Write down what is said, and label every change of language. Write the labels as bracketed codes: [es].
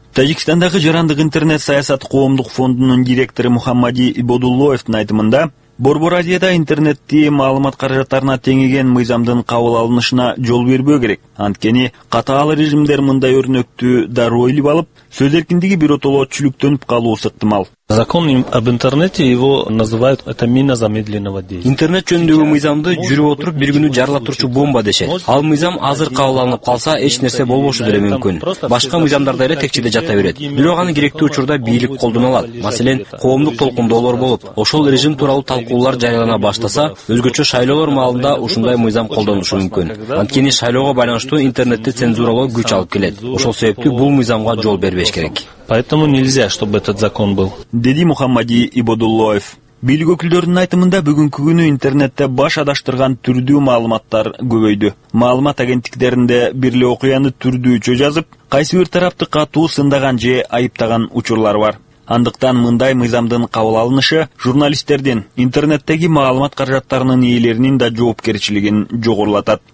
[ky] Тажикстандагы жарандык интернет саясат коомдук фондунун директору Мухаммади Ибодуллоевдин айтымында, Борбор Азияда интернетти маалымат каражаттарына теңеген мыйзамдын кабыл алынышына жол бербөө керек. Анткени катаал режимдер мындай өрнөктү дароо илип алып, сөз эркиндиги биротоло чүлүктөнүп калуусу ыктымал. [ru] Закон об интернете его называют это мина замедленного действия. [ky] Интернет жөнүндөгү мыйзамды жүрүп отуруп бир күнү жарыла турчу бомба дешет. Ал мыйзам азыр кабыл алынып калса эч нерсе болбошу деле мүмкүн. Башка мыйзамдарда эле текчеде жата берет. Бирок аны керектүү учурда бийлик колдоно алат. Маселен, коомдук толкундоолор болуп, ошол режим тууралуу талкуулар жарыялана баштаса, өзгөчө шайлоолор маалында ушундай мыйзам колдонушу мүмкүн. Анткени шайлоого байланыштуу интернетти цензуралоо күч алып келет. Ошол себептүү бул мыйзамга жол бербеш керек. [ru] Поэтому нельзя, чтобы этот закон был. [ky] Деди Мухаммади Ибодуллоев. Бийлик өкүлдөрүнүн айтымында бүгүнкү күнү интернетте баш адаштырган түрдүү маалыматтар көбөйдү. Маалымат агенттиктеринде бир эле окуяны түрдүүчө жазып, кайсы бир тарапты катуу сындаган же айыптаган учурлар бар. Андыктан мындай мыйзамдын кабыл алынышы журналисттердин, интернеттеги маалымат каражаттарынын ээлеринин да жоопкерчилигин жогорулатат.